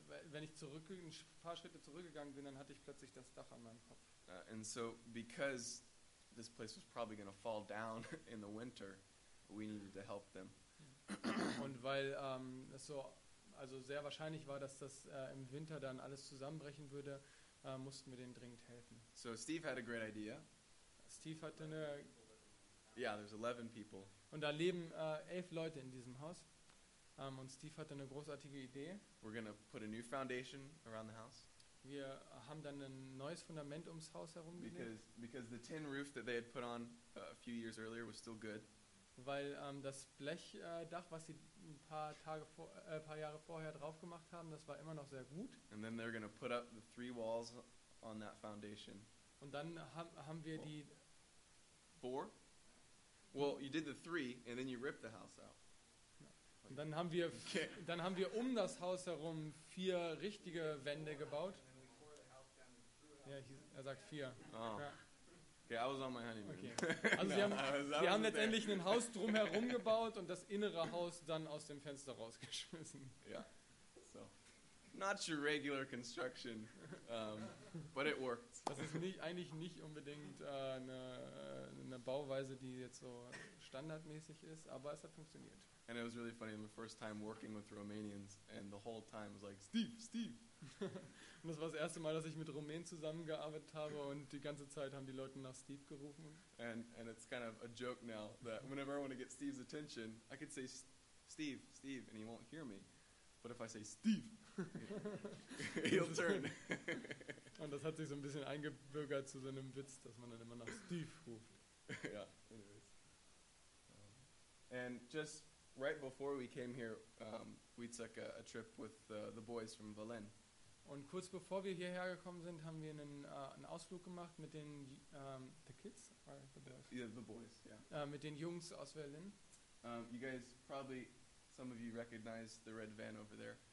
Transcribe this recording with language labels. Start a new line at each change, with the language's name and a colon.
German: wenn ich zurück ein paar Schritte zurückgegangen bin, dann hatte ich plötzlich das Dach an meinem Kopf.
English: And so because this place was probably going to fall down in the winter, we needed to help them.
German: Und weil es so also sehr wahrscheinlich war, dass das im Winter dann alles zusammenbrechen würde, mussten wir denen dringend helfen.
English: So Steve had a great idea.
German: Steve hatte eine
English: Yeah, there's 11 people.
German: Und da leben 11 Leute in diesem Haus. Und Steve hatte eine großartige Idee.
English: We're gonna put a new foundation around the house.
German: Wir haben dann ein neues Fundament ums Haus herum gelegt.
English: Because the tin roof that they had put on a few years earlier was still good.
German: Weil das Blechdach, was sie paar Jahre vorher drauf gemacht haben, das war immer noch sehr gut.
English: And then they're gonna put up the three walls on that foundation.
German: Und dann haben wir die
English: four. Well, you did the three, and then you ripped the house out.
German: Und dann haben wir um das Haus herum vier richtige Wände gebaut. Ja, er sagt vier.
English: Oh. Okay, I was on my honeymoon. Okay.
German: Also no, sie haben letztendlich ein Haus drumherum gebaut und das innere Haus dann aus dem Fenster rausgeschmissen.
English: Ja, yeah. So. Not your regular construction, but it worked.
German: Das ist eigentlich nicht unbedingt eine Bauweise, die jetzt so standardmäßig ist, aber es hat funktioniert.
English: And it was really funny, the first time working with Romanians, and the whole time was like, Steve.
German: Und das war das erste Mal, dass ich mit Rumänen zusammengearbeitet habe, und die ganze Zeit haben die Leute nach Steve gerufen.
English: And it's kind of a joke now, that whenever I want to get Steve's attention, I could say, Steve, and he won't hear me. But if I say, Steve, he'll turn.
German: Und das hat sich so ein bisschen eingebürgert zu so einem Witz, dass man dann immer nach Steve ruft.
English: Ja, anyways. And just right before we came here, we took a trip with the boys from Valen.
German: Und kurz bevor wir hierher gekommen sind, haben wir einen Ausflug gemacht mit den
English: the kids or the boys. Yeah, the boys. Yeah.
German: Mit den Jungs aus Valen.
English: You guys probably some of you recognize the red van over there.